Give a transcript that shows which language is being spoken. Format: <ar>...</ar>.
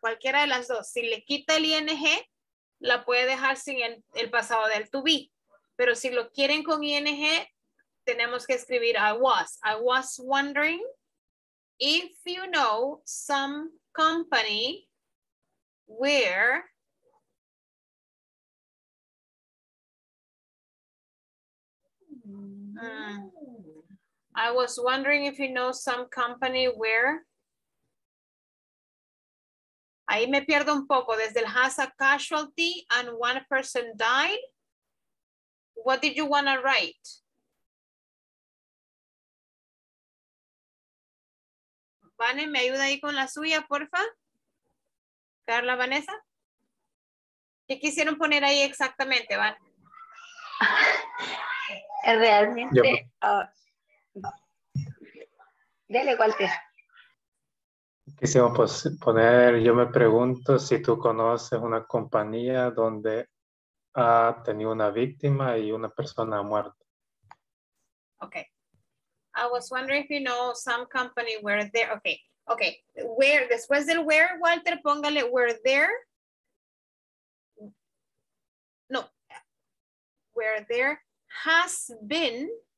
<es>Cualquiera de las dos. Si le quita el ing, la puede dejar sin el pasado del to be. Pero si lo quieren con ing, tenemos que escribir I was.</es> <en>I was wondering if you know some company where I was wondering if you know some company where.</en> <es>Ahí me pierdo un poco. Desde el</es> <en>has a casualty and one person died. What did you want to write?</en> <es>Vane, ¿me ayuda ahí con la suya, porfa? Carla, Vanessa. ¿Qué quisieron poner ahí exactamente, Van? Realmente. Dale, Walter. ¿Qué se va a poner? Yo me pregunto si tú conoces una compañía donde ha tenido una víctima y una persona muerta.</es> <en>Okay. I was wondering if you know some company where there, okay.</en> <es>Where, después del where, Walter, póngale</es> <en>where there. No. Where there has been</en>